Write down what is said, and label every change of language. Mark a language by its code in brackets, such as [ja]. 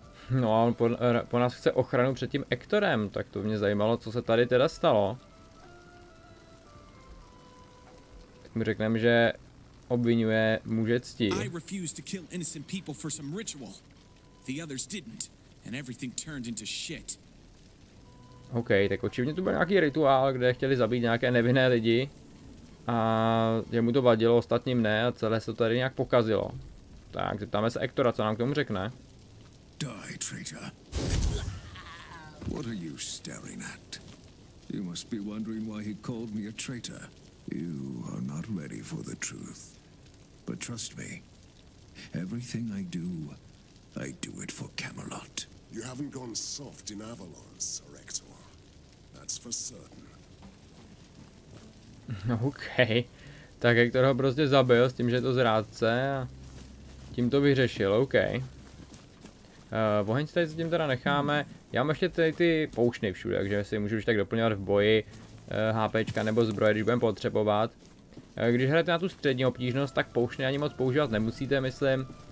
[cs] No a on po nás chce ochranu před tím Ektorem, tak to mě zajímalo, co se tady teda stalo. Tak mi řekneme, že obvinuje muže cti. [en] I refused to kill innocent people for some ritual. The others didn't, and everything turned into shit. [cs] OK, tak očivně to byl nějaký rituál, kde chtěli zabít nějaké nevinné lidi. A jemu to vadilo, ostatním ne, a celé se to tady nějak pokazilo. Tak, zeptáme se Ektora, co nám k tomu řekne. [en] Die, traitor. What are you staring at? You must be wondering why he called me a traitor. You are not ready for the truth. But trust me, everything I do it for Camelot. You haven't gone soft in Avalon, Sir Ector. That's for certain. OK. [cs] Tak Ector ho prostě zabil s tím, že je to zrádce a tím to vyřešil, OK. Oheň si tady zatím teda necháme. Já mám ještě tady ty poušny všude, takže si můžu už tak doplňovat v boji. HPčka nebo zbroje, když budeme potřebovat. Když hrajete na tu střední obtížnost, tak poušny ani moc používat nemusíte, myslím.